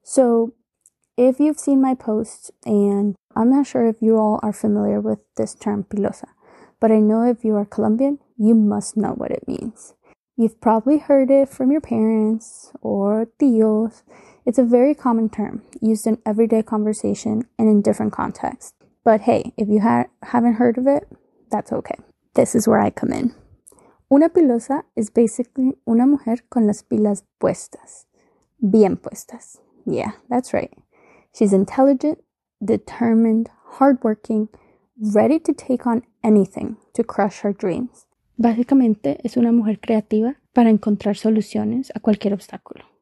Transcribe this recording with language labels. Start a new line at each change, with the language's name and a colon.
English: So if you've seen my post, and I'm not sure if you all are familiar with this term pilosa, but I know if you are Colombian, you must know what it means. You've probably heard it from your parents or tíos. It's a very common term used in everyday conversation and in different contexts. But hey, if you haven't heard of it, that's okay. This is where I come in.
Spanish: Una pilosa
English: is basically
Spanish: una mujer con las pilas puestas. Bien puestas.
English: Yeah, that's right. She's intelligent, determined, hardworking, ready to take on anything to crush her dreams.
Spanish: Básicamente, es una mujer creativa para encontrar soluciones a cualquier obstáculo.